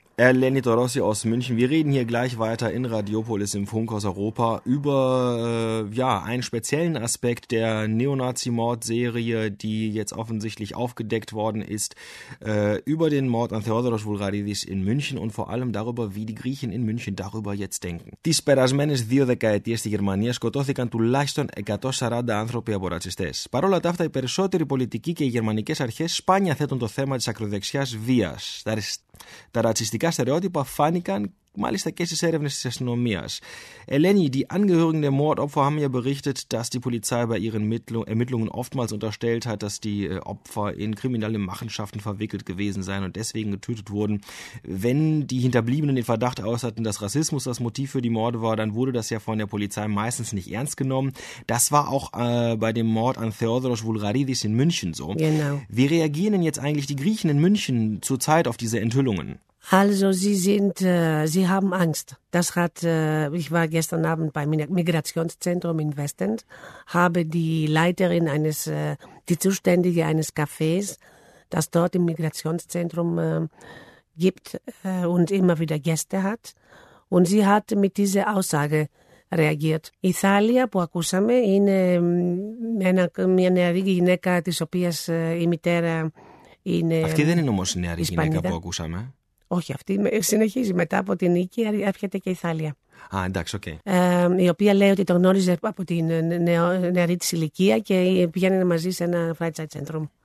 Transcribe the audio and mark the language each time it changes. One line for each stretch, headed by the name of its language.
German: Herr Lenny Torossi aus München, wir reden hier gleich weiter in Radiopolis im Funkhaus Europa über einen speziellen Aspekt der Neonazi-Mordserie, die jetzt offensichtlich aufgedeckt worden ist, über den Mord an Theodoros Vulgaridis in München und vor allem darüber, wie die Griechen in München darüber jetzt denken.
Greek: Τις περασμένες δύο δεκαετίες στη Γερμανία σκοτώθηκαν τουλάχιστον 140 άνθρωποι από ρατσιστές. Παρ' όλα αυτά, οι περισσότεροι πολιτικοί και οι γερμανικές αρχές σπάνια θέτουν το θέμα της ακροδεξιάς βίας. Τα ρατσιστικά στερεότυπα φάνηκαν μάλιστα και στις έρευνες της αστυνομίας.
German: Eleni, die Angehörigen der Mordopfer haben ja berichtet, dass die Polizei bei ihren Ermittlungen oftmals unterstellt hat, dass die Opfer in kriminelle Machenschaften verwickelt gewesen seien und deswegen getötet wurden. Wenn die Hinterbliebenen den Verdacht äußerten, dass Rassismus das Motiv für die Morde war, dann wurde das ja von der Polizei meistens nicht ernst genommen. Das war auch bei dem Mord an Theodoros Vulgaridis in München so. Genau. Wie reagieren denn jetzt eigentlich die Griechen in München zurzeit auf diese Enthüllungen? Also sie haben Angst. Das hat, ich war gestern Abend beim Migrationszentrum in Westend, habe die Leiterin die Zuständige eines Cafés, das dort im Migrationszentrum gibt und immer wieder Gäste hat. Und sie hat mit dieser Aussage reagiert.
Greek: Η Θάλια που ακούσαμε είναι μια νεαρή γυναίκα, της οποίας η μητέρα είναι. Αυτή δεν είναι όμως η νεαρή γυναίκα που ακούσαμε. Όχι, αυτή συνεχίζει. Μετά από την νίκη έρχεται και η Θάλια. Α, εντάξει, οκ. Okay. Η οποία λέει ότι το γνώριζε από την νεαρή της ηλικία και πηγαίνει μαζί σε ένα franchise center.